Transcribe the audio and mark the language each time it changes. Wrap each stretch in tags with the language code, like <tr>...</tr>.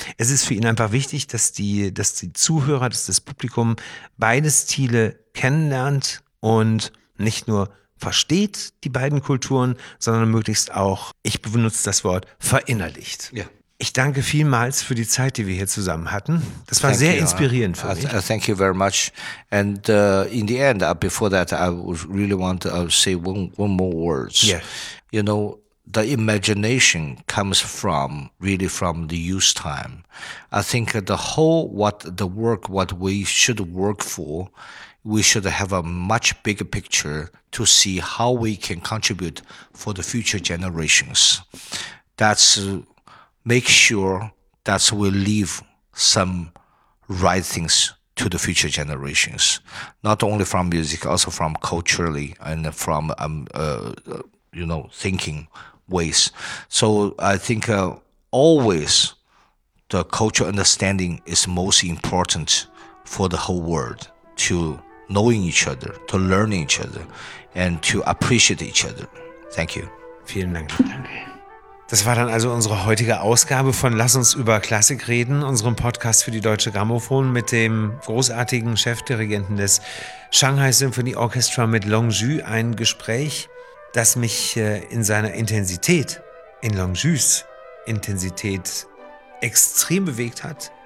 <de>Es ist für ihn einfach wichtig, dass die Zuhörer, dass das Publikum beide Stile kennenlernt und nicht nur versteht die beiden Kulturen, sondern möglichst auch, ich benutze das Wort, verinnerlicht. Ja. Ich danke vielmals für die Zeit, die wir hier zusammen hatten. Das war sehr inspirierend für mich.</de> <en>Thank you very much. And in the end, before that, I really want to say one more words. Yeah. You know, the imagination comes from really from the youth time. I think what we should work for, we should have a much bigger picture to see how we can contribute for the future generations. That's make sure that we leave some right things to the future generations, not only from music, also from culturally and from you know, thinking ways. So I think always the cultural understanding is most important for the whole world, to knowing each other, to learning each other, and to appreciate each other. Thank you.</en> <de>Vielen Dank. Danke. Das war dann also unsere heutige Ausgabe von Lass uns über Klassik reden, unserem Podcast für die Deutsche Grammophon mit dem großartigen Chefdirigenten des Shanghai Symphony Orchestra mit Long Zhu. Ein Gespräch, das mich in seiner Intensität, in Long Zhus Intensität extrem bewegt hat.</de>